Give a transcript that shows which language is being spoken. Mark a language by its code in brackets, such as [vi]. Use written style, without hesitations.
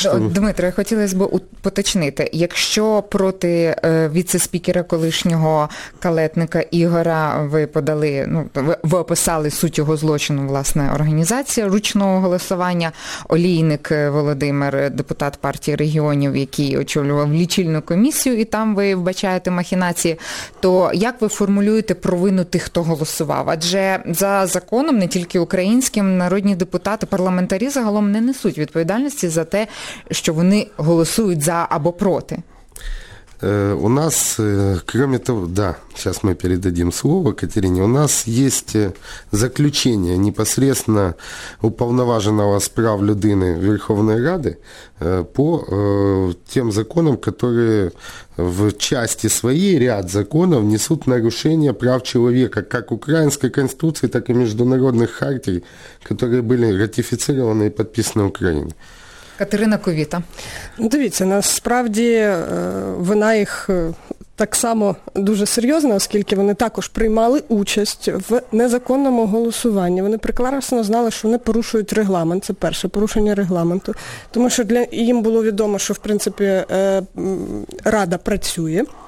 [uk] Дмитро, хотілося б поточнити. Якщо проти віце-спікера колишнього Калетника Ігора ви подали, ви описали суть його злочину, власне, організація ручного голосування, Олійник Володимир, депутат партії регіонів, який очолював лічильну комісію, і там ви вбачаєте махінації, то як ви формулюєте провину тих, хто голосував? Адже за законом, не тільки українським, народні депутати, парламентарі загалом не несуть відповідальності за те, що вони голосують за або проти. [ru] У нас, кроме того, да, сейчас мы передадим слово Катерине, у нас есть заключение непосредственно уповноваженного с [uk] прав людини [ru] Верховной Рады по тем законам, которые в части своей ряд законов несут нарушение прав человека как украинской конституции, так и международных хартий, которые были ратифицированы и подписаны Украиной. [uk] Катерина Ковіта. Дивіться, насправді вона їх так само дуже серйозна, оскільки вони також приймали участь в незаконному голосуванні. Вони прекрасно знали, що вони порушують регламент. Це перше порушення регламенту. Тому що для їм було відомо, що в принципі Рада працює.